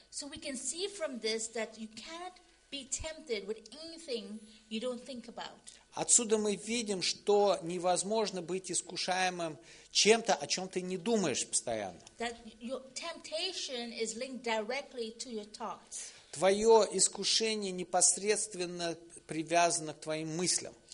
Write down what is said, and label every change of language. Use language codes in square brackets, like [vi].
[en] So we can see from this that you can't be tempted with anything you don't think about. [ru] Отсюда мы видим, что невозможно быть искушаемым чем-то, о чем ты не думаешь постоянно. [en] That your temptation is linked directly to your thoughts. [ru] Твое искушение непосредственно привязано к твоим мыслям.